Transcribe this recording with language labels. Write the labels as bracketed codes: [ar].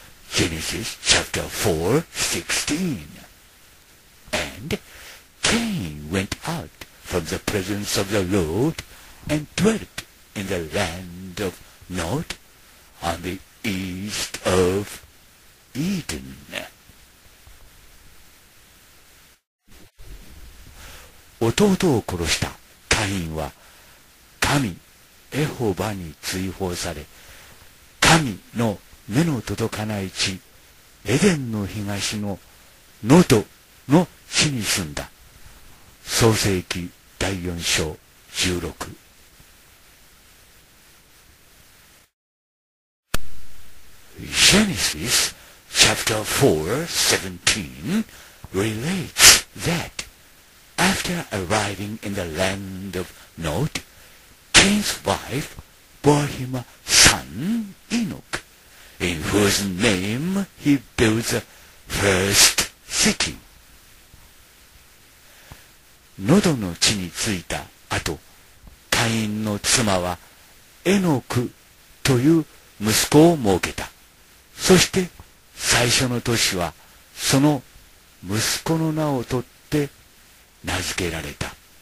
[en] Genesis chapter 4:16. And Cain went out from the presence of the Lord and dwelt in the land of Nod, on the east of Eden. [ja] エホバに追放され、神の目の届かない地エデンの東のノドの地に住んだ。創世記第4章16。 [en] Genesis chapter 4:17 relates that after arriving in the land of Nod,Cain's wife bore him a son, Enoch, in whose name he built the first city. [ja] ノドの地に着いた後、カインの妻はエノクという息子を設けた。そして最初の年はその息子の名を取って名付けられた。